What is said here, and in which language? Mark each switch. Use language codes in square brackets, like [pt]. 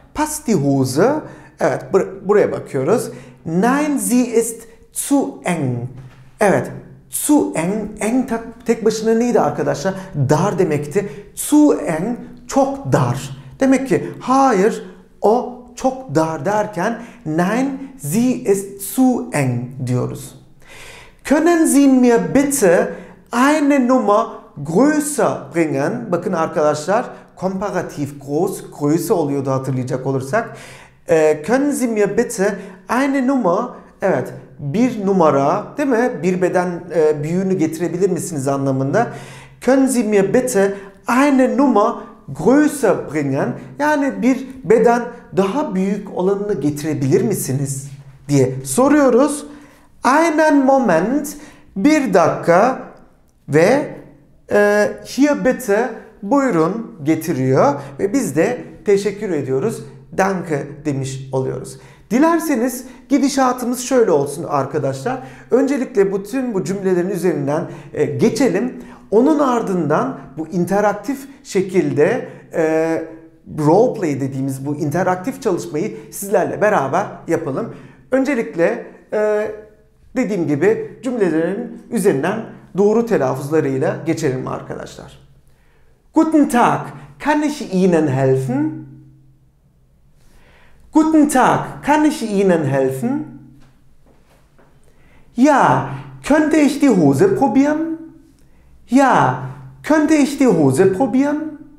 [de] Pass die Hose. [tr] Evet, buraya bakıyoruz. [de] Nein, sie ist zu eng. [tr] Evet, zu eng. Eng tek başına neydi arkadaşlar? Dar demekti. Zu eng, çok dar. Demek ki hayır, o çok dar derken [de] nein, sie ist zu eng [tr] diyoruz. [de] Können Sie mir bitte eine Nummer größer bringen? [tr] Bakın arkadaşlar, komparatif groß, größer oluyordu hatırlayacak olursak. [de] Können Sie mir bitte eine Nummer, [tr] evet, bir numara, değil mi? Bir beden büyüğünü getirebilir misiniz anlamında. [de] Können Sie mir bitte eine Nummer größer bringen? [tr] Yani bir beden daha büyük olanını getirebilir misiniz diye soruyoruz. [de] Einen Moment, [tr] bir dakika. Ve [de] hier bitte, [tr] buyurun, getiriyor. Ve biz de teşekkür ediyoruz. Danke demiş oluyoruz. Dilerseniz gidişatımız şöyle olsun arkadaşlar. Öncelikle bütün bu cümlelerin üzerinden geçelim. Onun ardından bu interaktif şekilde roleplay dediğimiz bu interaktif çalışmayı sizlerle beraber yapalım. Öncelikle dediğim gibi cümlelerin üzerinden doğru telaffuzlarıyla geçelim arkadaşlar. [de] Guten Tag, kann ich Ihnen helfen? Guten Tag, kann ich Ihnen helfen? Ja, könnte ich die Hose probieren? Ja, könnte ich die Hose probieren?